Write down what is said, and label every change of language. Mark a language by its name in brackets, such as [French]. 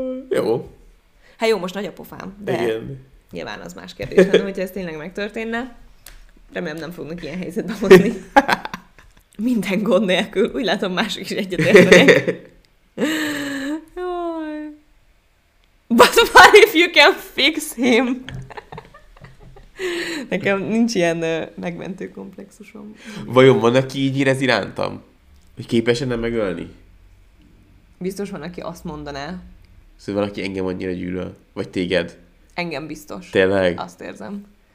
[Hungarian] Jó. Hát jó, most nagy a pofám, de igen. Nyilván az más kérdés lenne, hogyha ez tényleg megtörténne. Remélem, nem fognak ilyen helyzetbe hozni. Minden gond nélkül. Úgy látom, mások is egyetértenek. [English] But what if you can fix him? [Hungarian] Nekem nincs ilyen megmentő komplexusom. Vajon van, aki így érez irántam? Hogy képes nem megölni? Biztos van, aki azt mondaná. Szóval van, aki engem annyira gyűlöl? Vagy téged? Engem biztos. Tényleg? Azt érzem.